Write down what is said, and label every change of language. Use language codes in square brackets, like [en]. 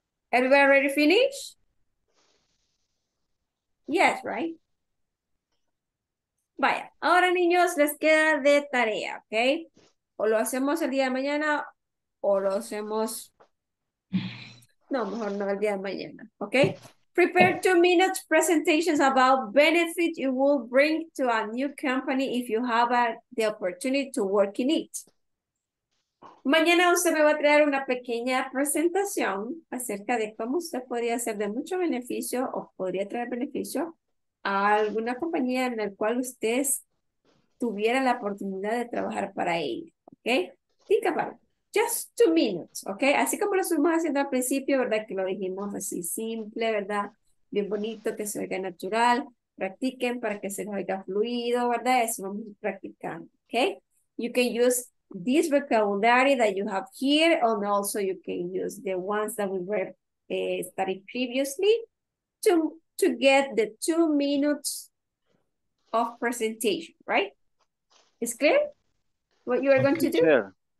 [en] Everybody ready to finish? Yes, right? [es] Vaya, ahora niños, les queda de tarea, ¿ok? O lo hacemos el día de mañana, o lo hacemos... No, mejor no el día de mañana, ¿ok? [en] Prepare 2 minutes presentations about benefits you will bring to a new company if you have the opportunity to work in it. [es] Mañana usted me va a traer una pequeña presentación acerca de cómo usted podría ser de mucho beneficio o podría traer beneficio a alguna compañía en la cual usted tuviera la oportunidad de trabajar para ella, ¿ok? [en] Think about it. Just 2 minutes, [es] ¿ok? Así como lo estuvimos haciendo al principio, ¿verdad? Que lo dijimos así simple, ¿verdad? Bien bonito, que se oiga natural. Practiquen para que se les oiga fluido, ¿verdad? Eso vamos practicando, ¿ok? [en] You can use this vocabulary that you have here, and also you can use the ones that we were studying previously to get the 2 minutes of presentation, right? It's clear what you are going to do?